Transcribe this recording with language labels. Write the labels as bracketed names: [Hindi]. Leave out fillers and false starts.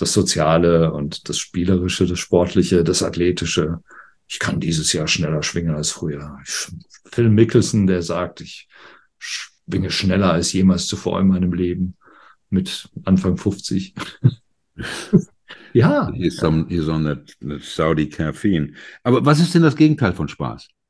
[German] Das Soziale und das Spielerische, das Sportliche, das Athletische. Ich kann dieses Jahr schneller schwingen als früher. Phil Mickelson, der sagt, ich schwinge schneller als jemals zuvor in meinem Leben mit Anfang 50. Ja. [English] He's on the Saudi caffeine. [German] Aber was ist denn das Gegenteil von Spaß?